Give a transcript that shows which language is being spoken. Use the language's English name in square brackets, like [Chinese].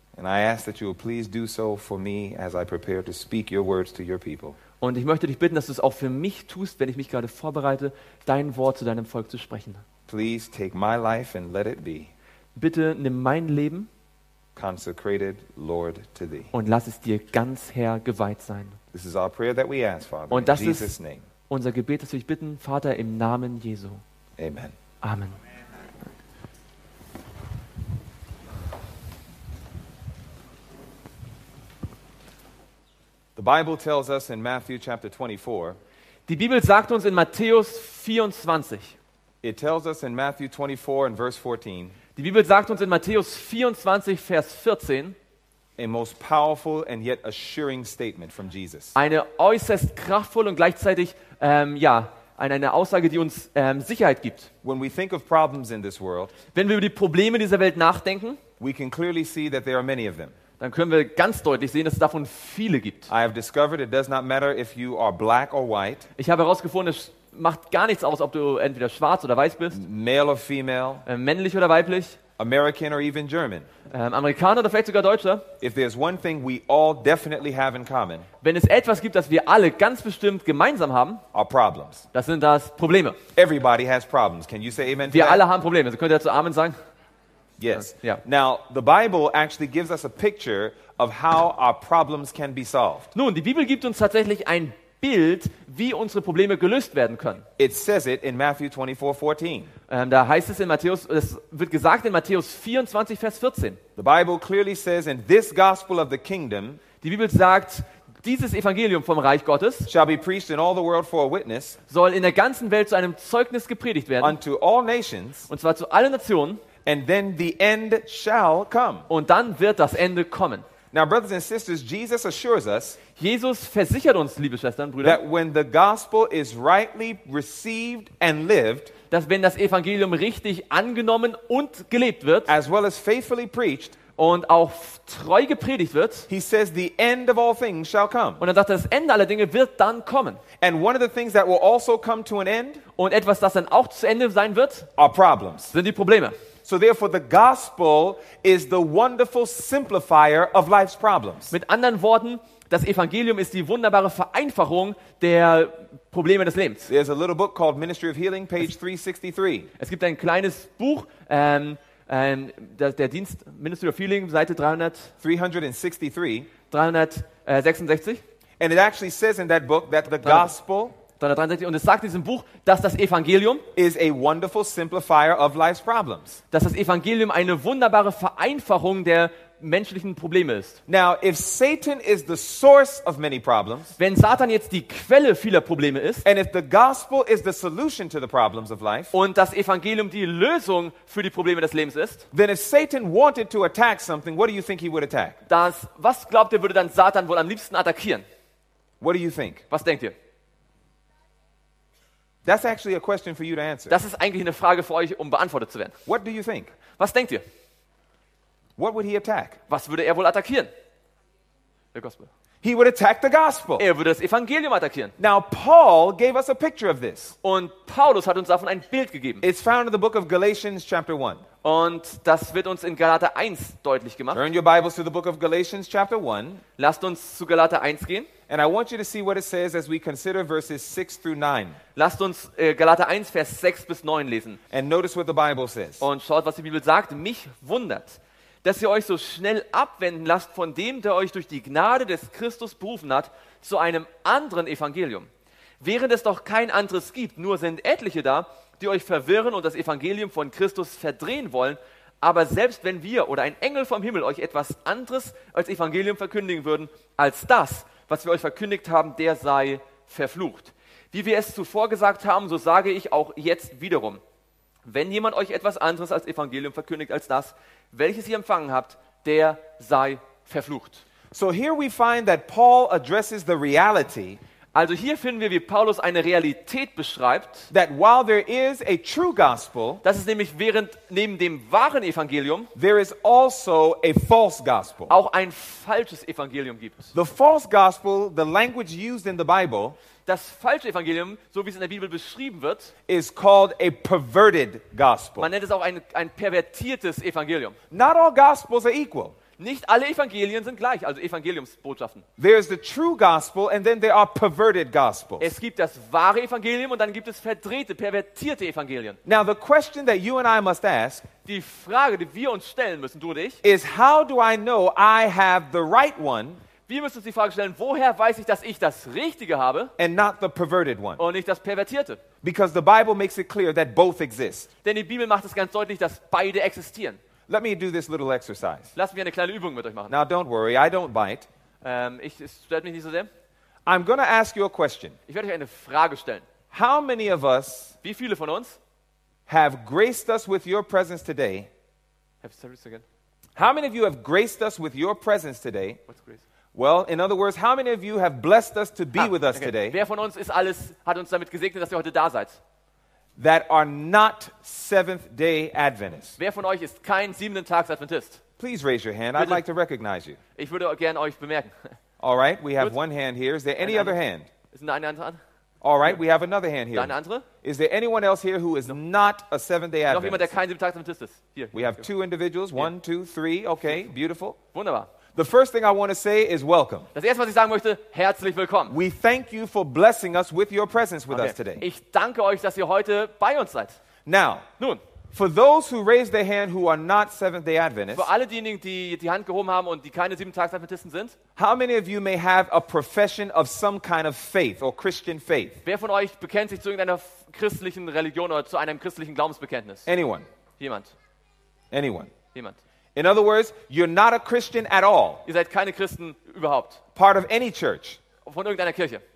[English] And I ask that you will please do so for me as I prepare to speak your words to your people. [German] Und ich möchte dich bitten, dass du es auch für mich tust, wenn ich mich gerade vorbereite, dein Wort zu deinem Volk zu sprechen. [English] Please take my life and let it be. [German] Bitte nimm mein Leben. [English] Consecrated, Lord, to thee. [German] Und lass es dir ganz Herr geweiht sein. [English] This is our prayer that we ask, Father, [German] und das in Jesus' ist name. Unser Gebet, das wir dich bitten, Vater, im Namen Jesu. [English] Amen. [German] Amen. [English] The Bible tells us in Matthew chapter 24. [German] Die Bibel sagt uns in Matthäus 24. [English] It tells us in Matthew 24 and verse 14. [German] Die Bibel sagt uns in Matthäus 24 Vers 14. [English] A most powerful and yet assuring statement from Jesus. [German] Eine äußerst kraftvolle und gleichzeitig eine Aussage, die uns Sicherheit gibt. [English] When we think of problems in this world, [German] wenn wir über die Probleme dieser Welt nachdenken, [English] we can clearly see that there are many of them. [German] Dann können wir ganz deutlich sehen, dass es davon viele gibt. [English] I have discovered it does not matter if you are black or white. [German] Ich habe herausgefunden, es macht gar nichts aus, ob du entweder schwarz oder weiß bist. [English] Male or female. [German] Männlich oder weiblich. [English] American or even German. [German] Amerikaner oder vielleicht sogar Deutscher. [English] If there's one thing we all definitely have in common. [German] Wenn es etwas gibt, das wir alle ganz bestimmt gemeinsam haben. [English] Our problems. [German] Das sind das Probleme. [English] Everybody has problems. Can you say amen to [German] wir [English] that? [German] Alle haben Probleme. Also könnt ihr dazu Amen sagen? [English] Yes. Yeah. Now, the Bible actually gives us a picture of how our problems can be solved. [German] Nun, die Bibel gibt uns tatsächlich ein Bild, wie unsere Probleme gelöst werden können. [English] It says it in Matthew 24:14. [German] Da heißt es in Matthäus, es wird gesagt in Matthäus 24 Vers 14. [English] The Bible clearly says in this gospel of the kingdom. [German] Die Bibel sagt, dieses Evangelium vom Reich Gottes [English] shall be preached in all the world for a witness. [German] Soll in der ganzen Welt zu einem Zeugnis gepredigt werden. [English] Unto all nations. [German] Und zwar zu allen Nationen. [English] And then the end shall come. [German] Und dann wird das Ende kommen. [English] Now, brothers and sisters, Jesus assures us. [German] Jesus versichert uns, liebe Schwestern, Brüder, [English] that when the gospel is rightly received and lived, [German] dass wenn das Evangelium richtig angenommen und gelebt wird, [English] as well as faithfully preached, [German] und auch treu gepredigt wird, [English] he says the end of all things shall come. [German] Und er sagt, das Ende aller Dinge wird dann kommen. [English] And one of the things that will also come to an end, [German] und etwas, das dann auch zu Ende sein wird, [English] are problems. [German] Sind die Probleme. [English] So therefore the gospel is the wonderful simplifier of life's problems. [German] Mit anderen Worten, das Evangelium ist die wunderbare Vereinfachung der Probleme des Lebens. [English] There's a little book called Ministry of Healing, page 363. [German] Es gibt ein kleines Buch, der Dienst Ministry of Healing, Seite 366. [English] And it actually says in that book that the gospel, [German] und es sagt in diesem Buch, dass das Evangelium [English] is a wonderful simplifier of life's problems. [German] Dass das Evangelium eine wunderbare Vereinfachung der menschlichen Probleme ist. [English] Now, if Satan is the source of many problems, [German] wenn Satan jetzt die Quelle vieler Probleme ist, [English] and if the gospel is the solution to the problems of life, [German] und das Evangelium die Lösung für die Probleme des Lebens ist, [English] then if Satan wanted to attack something, what do you think he would attack? [German] Was glaubt ihr, würde dann Satan wohl am liebsten attackieren? [English] What do you think? [German] Was denkt ihr? [English] That's actually a question for you to answer. [German] Das ist eigentlich eine Frage für euch, um beantwortet zu werden. [English] What do you think? [German] Was denkt ihr? [English] What would he attack? [German] Was würde er wohl attackieren? [English] The gospel. He would attack the gospel. [German] Er würde das Evangelium attackieren. [English] Now Paul gave us a picture of this. [German] Und Paulus hat uns davon ein Bild gegeben. [English] It's found in the book of Galatians chapter 1. [German] Und das wird uns in Galater 1 deutlich gemacht. [English] Turn your Bibles to the book of Galatians chapter 1. [German] Lasst uns zu Galater 1 gehen. [English] And I want you to see what it says as we consider verses 6 through 9. [German] Lasst uns Galater 1 Vers 6 bis 9 lesen. [English] And notice what the Bible says. [German] Und schaut, was die Bibel sagt. Mich wundert, dass ihr euch so schnell abwenden lasst von dem, der euch durch die Gnade des Christus berufen hat, zu einem anderen Evangelium. Während es doch kein anderes gibt, nur sind etliche da, die euch verwirren und das Evangelium von Christus verdrehen wollen. Aber selbst wenn wir oder ein Engel vom Himmel euch etwas anderes als Evangelium verkündigen würden, als das, was wir euch verkündigt haben, der sei verflucht. Wie wir es zuvor gesagt haben, so sage ich auch jetzt wiederum. Wenn jemand euch etwas anderes als Evangelium verkündigt als das, welches ihr empfangen habt, der sei verflucht. [English] So here we find that Paul addresses the reality. [German] Also hier finden wir, wie Paulus eine Realität beschreibt, [English] that while there is a true gospel, [German] dass es nämlich neben dem wahren Evangelium, [English] there is also a false gospel. [German] Auch ein falsches Evangelium gibt. [English] The false gospel, the language used in the Bible, [German] das falsche Evangelium, so wie es in der Bibel beschrieben wird, [English] is called a perverted gospel. [German] Man nennt es auch ein pervertiertes Evangelium. [English] Not all gospels are equal. [German] Nicht alle Evangelien sind gleich, also Evangeliumsbotschaften. [English] There is the true gospel and then there are perverted gospels. [German] Es gibt das wahre Evangelium und dann gibt es verdrehte, pervertierte Evangelien. [English] Now the question that you and I must ask, [German] die Frage, die wir uns stellen müssen, du und ich, [English] is how do I know I have the right one? [German] Wir müssen uns die Frage stellen, woher weiß ich, dass ich das Richtige habe? [English] And not the perverted one. [German] Und nicht das Pervertierte. [English] Because the Bible makes it clear that both exist. [German] Denn die Bibel macht es ganz deutlich, dass beide existieren. [English] Let me do this little exercise. [German] Lass mich eine kleine Übung mit euch machen. [English] Now don't worry, I don't bite. [German] Es stört mich nicht so sehr. [English] I'm going to ask you a question. [German] Ich werde euch eine Frage stellen. [English] How many of us, [German] wie viele von uns, [English] have graced us with your presence today? Have said this again. How many of you have graced us with your presence today? What's grace? Well, in other words, how many of you have blessed us to be with us today? [German] Wer von uns hat uns damit gesegnet, dass ihr heute da seid? [English] That are not Seventh-day Adventists. [German] Wer von euch ist kein siebenten Tags Adventist? [English] Please raise your hand. I'd like to recognize you. [German] Ich würde gerne euch bemerken. [English] All right, we have one hand here. Is there any other hand? [German] Ist eine andere Hand? [English] All right, we have another hand here. [German] Eine andere? [English] Is there anyone else here who is not a Seventh-day Adventist? [German] Noch jemand, der kein siebenten Tags Adventist ist? Hier. [English] We have two individuals. One, two, three. Okay, beautiful. [German] Wunderbar. [English] The first thing I want to say is welcome. [German] Das erste, was ich sagen möchte, herzlich willkommen. [English] We thank you for blessing us with your presence with us today. [German] Ich danke euch, dass ihr heute bei uns seid. [English] Now, [German] nun, [English] for those who raise their hand who are not Seventh-day Adventists. [German] Für alle diejenigen, die die Hand gehoben haben und die keine Siebentagsadventisten sind. [English] How many of you may have a profession of some kind of faith or Christian faith? [German] Wer von euch bekennt sich zu irgendeiner christlichen Religion oder zu einem christlichen Glaubensbekenntnis? [English] Anyone? [German] Jemand? [English] Anyone? [German] Jemand? [English] In other words, you're not a Christian at all. [German] Ihr seid keine Christen überhaupt. [English] Part of any church. [German] Von irgendeiner Kirche.